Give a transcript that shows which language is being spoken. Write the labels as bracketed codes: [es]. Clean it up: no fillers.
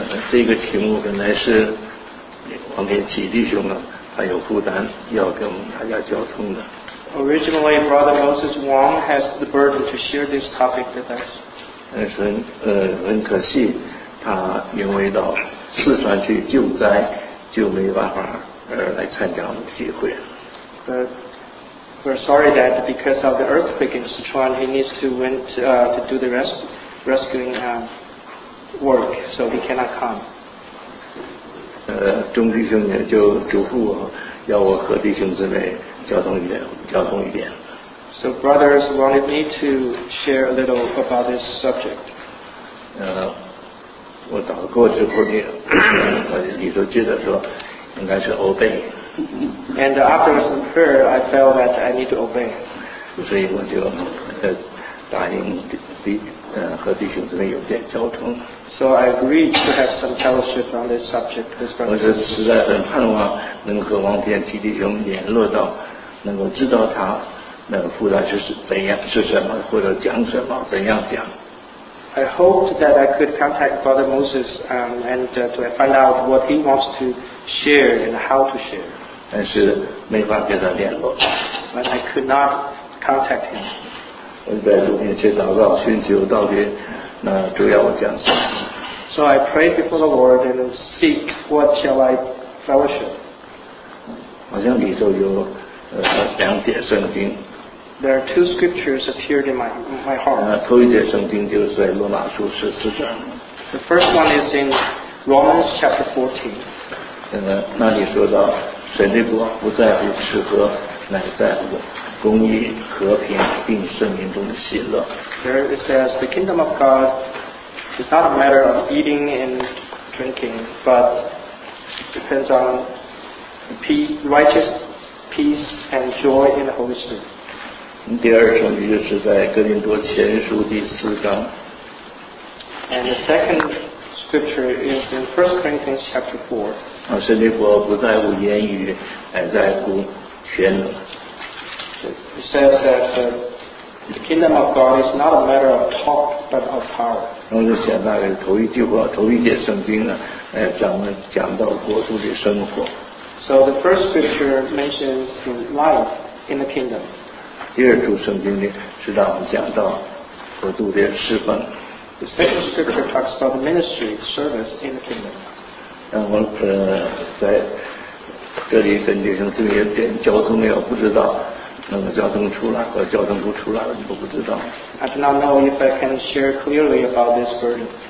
[zh] 这个题目本来是王天启弟兄呢，他有负担要跟大家交通的。 [en] Originally, Brother Moses Wong has the burden to share this topic with us. [zh] 但是很可惜，他因为到四川去救灾，就没办法来参加我们聚会。 [en] We're sorry that because of the earthquake in Sichuan, he needs to went to do the rescuing work, so he cannot come. [zh] 钟弟兄呢就嘱咐我，要我和弟兄姊妹交通一点。 [en] So brothers wanted me to share a little about this subject. [zh] 我祷告之后呢，你都记得说，应该是 obey。 [en] And after some prayer, I felt that I need to obey. [zh] 所以我就答应和弟兄姊妹有点交通。 [en] So I agreed to have some fellowship on this subject. This [zh] 我是实在很盼望能和王天启弟兄联络到，能够知道他那个负担是怎样，是什么，或者讲什么，怎样讲。 [en] I hoped that I could contact Brother Moses and to find out what he wants to share and how to share. [zh] 但是没法跟他联络。 [en] But I could not contact him. [zh] 我在主面前祷告，寻求到底那主要我讲什么。 [en] So I prayed before the Lord and seek what shall I fellowship. [zh] 好像里头有两节圣经。 [en] There are two scriptures appeared in my heart. [zh] 头一节圣经就是在罗马书十四章。 [en] The first one is in Romans chapter 14. [zh] 那里说到神的国不在乎吃喝，乃在乎公义、和平并圣灵中的喜乐。 [en] There it says the kingdom of God is not a matter of eating and drinking, but depends on righteous peace and joy in the Holy Spirit. [zh] 第二圣经就是在哥林多前书第四章。 [en] And the second scripture is in 1 Corinthians chapter 4. [zh] 神的国不在乎言语，乃在乎全能。 [en] It says that the kingdom of God is not a matter of talk but of power. [zh] 我就想到了头一句话，头一节圣经呢，讲到国度的生活。 [en] So the first scripture mentions life in the kingdom. [zh] 第二处圣经里是让我们讲到国度的侍奉。 [en] The second scripture talks about the ministry service in the kingdom. [zh] 让我在这里跟弟兄姊妹点交通，要不知道能够交通出来或交通不出来，我都不知道。 [en] I do not know if I can share clearly about this burden.